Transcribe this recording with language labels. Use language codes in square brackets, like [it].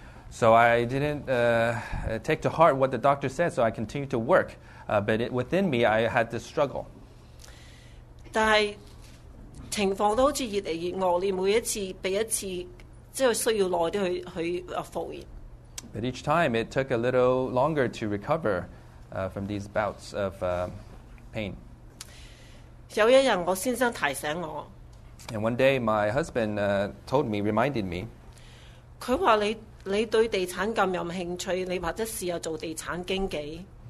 [en] So I didn't take to heart what the doctor said, so I continued to work. But within me, I had this struggle. [yue] 但係情況都好似越嚟越惡劣，每一次被一次，即係需要耐啲去復原。 [en] But each time, it took a little longer to recover from these bouts of pain. [yue] 有一日，我先生提醒我。 [en] And one day, my husband told me, reminded me. [yue] 佢話你對地產咁有興趣，你或者試下做地產經紀。